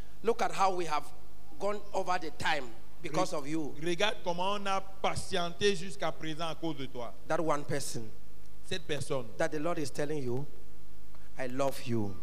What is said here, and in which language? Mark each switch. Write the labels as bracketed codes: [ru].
[en] Look at how we have gone over the time because of you. [fr] Regarde comment on a patienté jusqu'à présent à cause de toi. [en] That one person. [fr] Cette personne. [en] That the Lord is telling you, I love you.